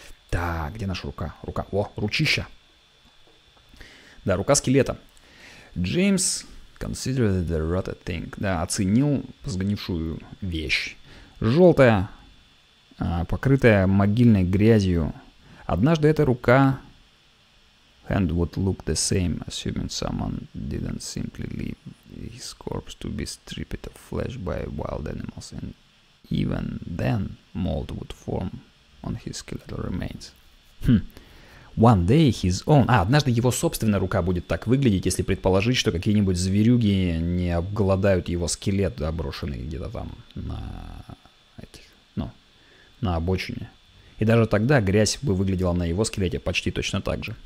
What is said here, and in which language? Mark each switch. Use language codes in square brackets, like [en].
[ru] Так, где наша рука? Рука, о, ручища. Да, рука скелета. Джеймс [en] considered the rotted thing. [ru] Да, оценил сгнившую вещь. Желтая, покрытая могильной грязью. Однажды эта рука [en] hand would look the same, assuming someone didn't simply leave his corpse to be stripped of flesh by wild animals, and even then mold would form on his skeletal remains. One day his own... [ru] однажды его собственная рука будет так выглядеть, если предположить, что какие-нибудь зверюги не обглодают его скелет, да, брошенный где-то там на... на обочине. И даже тогда грязь бы выглядела на его скелете почти точно так же.